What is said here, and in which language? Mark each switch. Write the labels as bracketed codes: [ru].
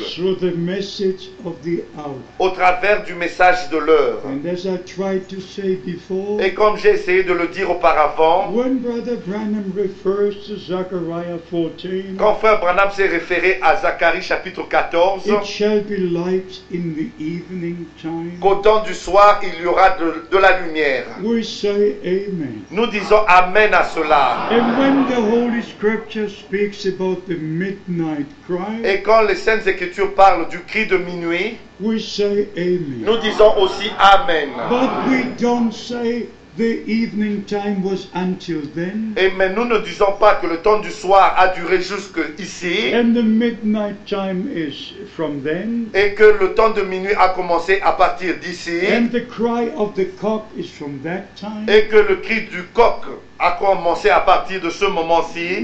[en] Through the message of the hour. [fr] Au travers du message de l'heure. [en] And as I tried to say before, [fr] et comme j'ai essayé de le dire auparavant, [en] when Brother Branham refers to Zechariah 14, [fr] quand Frère Branham s'est référé à Zacharie chapitre 14, [en] it shall be light in the evening time, [fr] qu'au temps du soir, il y aura de la lumière. [en] We say amen. [fr] Nous disons amen à cela. [en] And when the Holy Scripture speaks about the midnight cry, [fr] et quand les Saintes Écritures parlent du cri de minuit, [en] we say amen. [fr] Nous disons aussi amen. [en] But we don't say the evening time was until then. [fr] Et mais nous ne disons pas que le temps du soir a duré jusque ici. [en] And the midnight time is from then. [fr] Et que le temps de minuit a commencé à partir d'ici. [en] And the cry of the cock is from that time. [fr] Et que le cri du coq a commencé à partir de ce moment-ci.